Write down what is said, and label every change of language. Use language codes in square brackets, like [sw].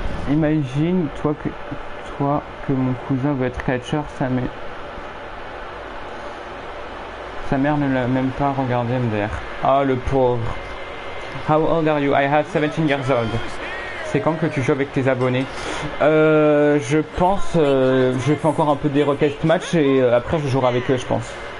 [fr] Imagine toi que mon cousin veut être catcher, sa mère ne l'a même pas regardé MDR. Ah, le pauvre. [en] How old are you? I have 17 years old. [fr] C'est quand que tu joues avec tes abonnés? Je pense, je fais encore un peu des request match et après je jouerai avec eux, je pense.